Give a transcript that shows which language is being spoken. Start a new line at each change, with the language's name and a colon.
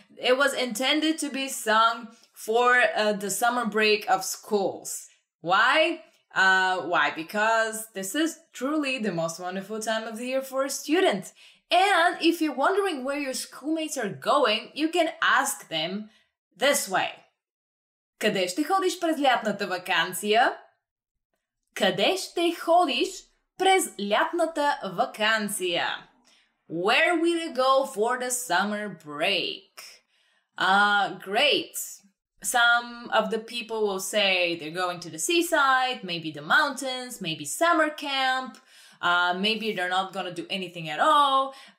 English: It was intended to be sung for the summer break of schools. Why? Because this is truly the most wonderful time of the year for a student. And if you're wondering where your schoolmates are going, you can ask them this way.
Bulgarian: Къде ще ходиш през лятната ваканция? Къде ще ходиш през лятната ваканция?
English: Where will you go for the summer break? Great! Some of the people will say they're going to the seaside, maybe the mountains, maybe summer camp, maybe they're not gonna do anything at all.